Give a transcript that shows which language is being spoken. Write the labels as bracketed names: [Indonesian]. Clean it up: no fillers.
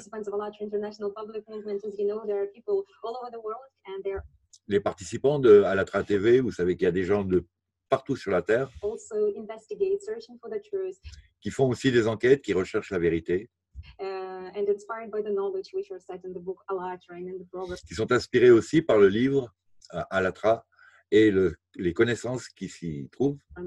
[English] Participants of Alatra International Public Movement, as you know, there are people all over the world and they're [French] Les participants de Alatra TV, vous savez qu'il y a des gens de partout sur la Terre [English] also investigate, searching for the truth, [French] qui font aussi des enquêtes, qui recherchent la vérité, [English] and inspired by the knowledge which are set in the book Alatra and in the program. [French] qui sont inspirés aussi par le livre Alatra et les connaissances qui s'y trouvent.